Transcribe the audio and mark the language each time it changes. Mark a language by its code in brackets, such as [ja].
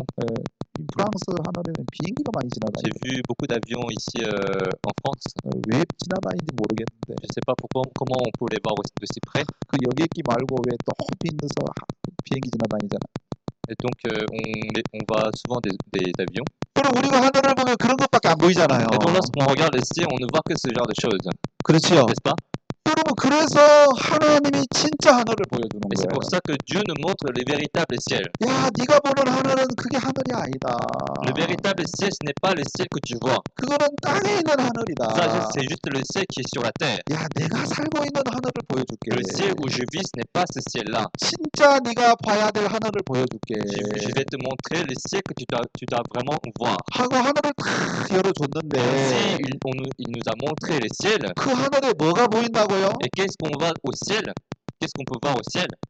[ko] 에, 프랑스 하늘에는 비행기가 많이 지나가요. [fr] J'ai vu beaucoup d'avions ici en France. [ko] 왜 지나다니는지 모르겠는데. [fr] Je sais pas pourquoi, comment on peut les voir de si près. [ko] 그 여객기 말고 왜 높이 있는서 비행기 지나다니잖아. [fr] Et donc on va souvent des avions. [ko] 그럼 우리가 하늘을 보면 그런 것밖에 안 보이잖아요. [fr] Et donc lorsqu'on regarde ici, on ne voit que ce genre de choses. [ko] 그렇죠. [fr] N'est-ce pas? [ko] 여러분, 그래서 하나님이 진짜 하늘을 보여주는 거예요. [fr] C'est pour ça que Dieu nous montre le véritable ciel. [ko] 야, 네가 보는 하늘은 그게 하늘이 아니다. [fr] Le véritable ciel, ce n'est pas le ciel que tu vois. [ko] 그거는 땅에 있는 하늘이다. [fr] Ça, c'est juste le ciel qui est sur la terre. [ko] 야, 내가 살고 있는 하늘을 보여줄게. [fr] Le ciel où je vis, ce n'est pas ce ciel-là. [ko] 진짜 네가 봐야 될 하늘을 보여줄게. [fr] Je vais te montrer le ciel que tu dois vraiment voir. [ko] 하고 하늘을 탁 열어줬는데. [fr] Il nous a montré le ciel. [ko] 그 하늘에 뭐가 보인다고? [fr] Et qu'est-ce qu'on voit au ciel? Qu'est-ce qu'on peut voir au ciel?